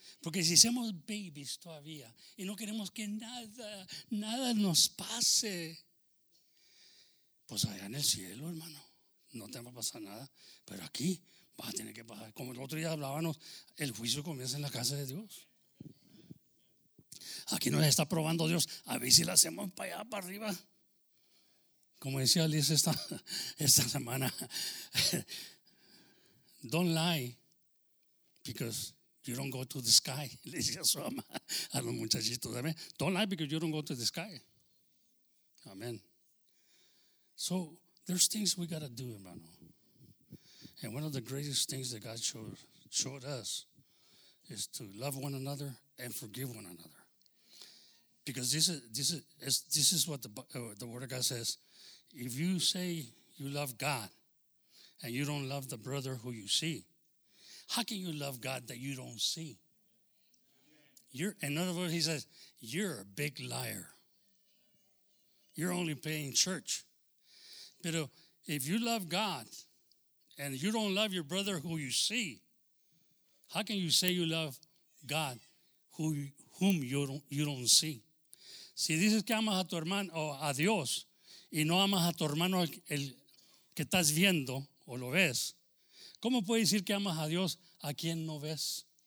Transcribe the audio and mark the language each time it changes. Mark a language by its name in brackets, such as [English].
[Spanish] Porque si somos babies todavía y no queremos que nada, nada nos pase, pues allá en el cielo, hermano, no te va a pasar nada. Pero aquí vas a tener que pasar. Como el otro día hablábamos, el juicio comienza en la casa de Dios. Aquí nos está probando Dios. A ver si la hacemos para allá, para arriba. Como decía Liz esta semana, [English] don't lie because you don't go to the sky. [Spanish] Le decía a su mamá, a los muchachitos, amén. [English] Don't lie because you don't go to the sky. Amén. So, there's things we got to do, hermano. And one of the greatest things that God showed us is to love one another and forgive one another. Because this is what the word of God says. If you say you love God and you don't love the brother who you see, how can you love God that you don't see? In other words, he says, you're a big liar. You're only playing church. But if you love God and you don't love your brother who you see, how can you say you love God whom you don't see? [Spanish] Si dices que amas a tu hermano o a Dios, y no amas a tu hermano el que estás viendo o lo ves, ¿cómo puedes decir que amas a Dios a quien no ves?